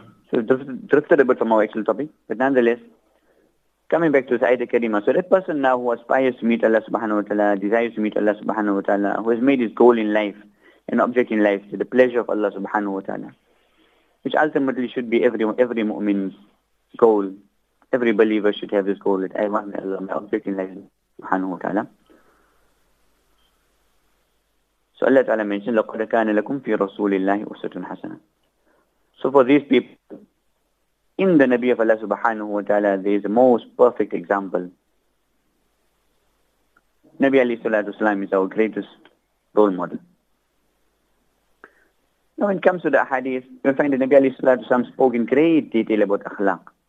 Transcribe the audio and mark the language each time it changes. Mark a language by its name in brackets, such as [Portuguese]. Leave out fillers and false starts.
[English] So drifted a bit from our actual topic, but nonetheless, coming back to this ayat al-kareema, so that person now who aspires to meet Allah subhanahu wa ta'ala, desires to meet Allah subhanahu wa ta'ala, who has made his goal in life, an object in life, to the pleasure of Allah subhanahu wa ta'ala, which ultimately should be every mu'min's goal, every believer should have this goal, that I want Allah, my object in life, subhanahu wa ta'ala. So Allah Ta'ala mentioned, [Arabic] لَقَدَ كَانَ لَكُمْ فِي رَسُولِ اللَّهِ أُسْوَةٌ حَسَنًا. [English] So for these people, in the Nabi of Allah subhanahu wa ta'ala, there is the most perfect example. Nabi alayhi salatu wasalam is our greatest role model. Now when it comes to the hadith, you'll find that Nabi alayhi salatu wasalam spoke in great detail about akhlaq.